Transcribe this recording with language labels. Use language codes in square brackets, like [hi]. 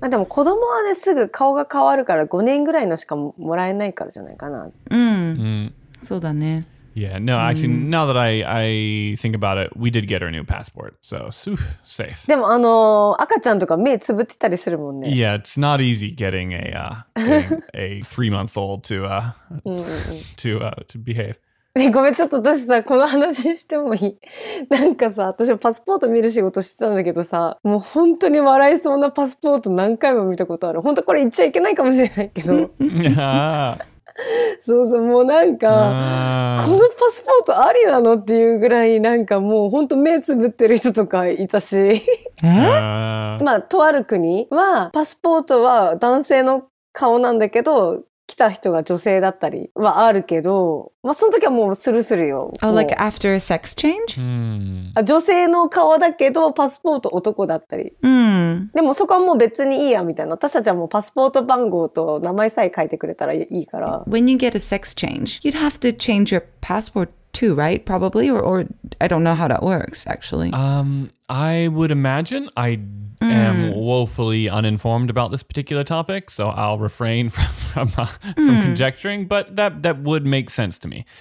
[ja] あ、でも子供はね、すぐ顔が変わるから5年ぐらいのしかもらえないからじゃないかな。そうだね。 [en] Yeah, no, actually, now that I think about it, we did get our new passport, so safe. [ja] でも、あの、赤ちゃんとか目つぶってたりするもんね。 [en] Yeah, it's not easy getting a three-month-old to behave. [ja] ね、ごめん、ちょっと私さ、この話してもいい？なんかさ、私もパスポート見る仕事してたんだけどさ、もう本当に笑いそうなパスポート何回も見たことある。本当これ言っちゃいけないかもしれないけど。そうそう、もうなんか、このパスポートありなのっていうぐらい、なんかもう本当目つぶってる人とかいたし。え？まあ、とある国は、パスポートは男性の顔なんだけど、来た人が女性だったりはあるけど、まあその時はもうスルスルよ。 [en] Oh, like after a sex change? [ja] 女性の顔だけどパスポート男だったり。 Mm. でもそこはもう別にいいやみたいな。私たちはもうパスポート番号と名前さえ書いてくれたらいいから。 [en] When you get a sex change, you'd have to change your passport too, right? Probably, or I don't know how that works actually. I would imagine I am woefully uninformed about this particular topic, so I'll refrain from conjecturing, but that would make sense to me.